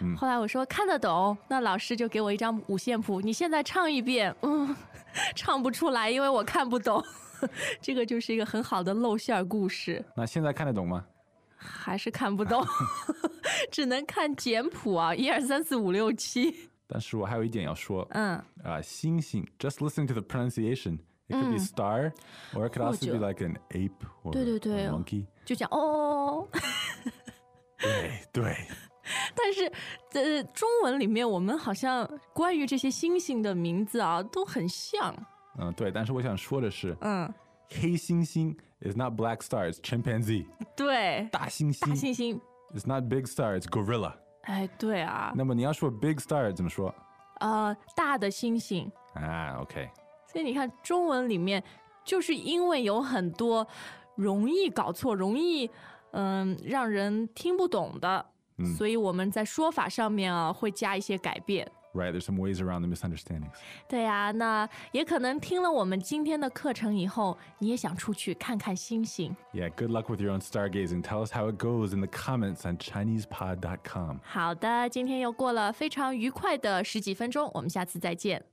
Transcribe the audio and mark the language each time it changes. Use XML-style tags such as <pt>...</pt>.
<zh>后来我说看得懂，那老师就给我一张五线谱，你现在唱一遍。唱不出来，因为我看不懂。这个就是一个很好的露馅故事。那现在看得懂吗？还是看不懂。只能看简谱啊，一二三四五六七。但是我还有一点要说，星</zh> <en>星 ，just listening to the pronunciation。 It could be star, or it could also be like an ape or</en> <zh>对对对</zh> <en>a monkey.</en> <zh>就讲哦。对对。但是在中文里面，我们好像关于这些星星的名字啊都很像。对。但是我想说的是，黑猩猩</zh> <en>is not black star, it's chimpanzee.</en> <zh>对。大猩猩。大猩猩。</zh> <en>It's not big star, it's gorilla.</en> <zh>哎，对啊。那么你要说 big star 怎么说？大的猩猩。</zh> <en>OK。</en> <zh>所以你看中文里面就是因为有很多容易搞错容易让人听不懂的所以我们在说法上面啊会加一些改变</zh> <en>Right, there's some ways around the misunderstandings</en> <zh>对啊那也可能听了我们今天的课程以后你也想出去看看星星</zh> <en>Yeah, good luck with your own stargazing Tell us how it goes in the comments on ChinesePod.com</en> <zh>好的今天又过了非常愉快的十几分钟我们下次再见</zh>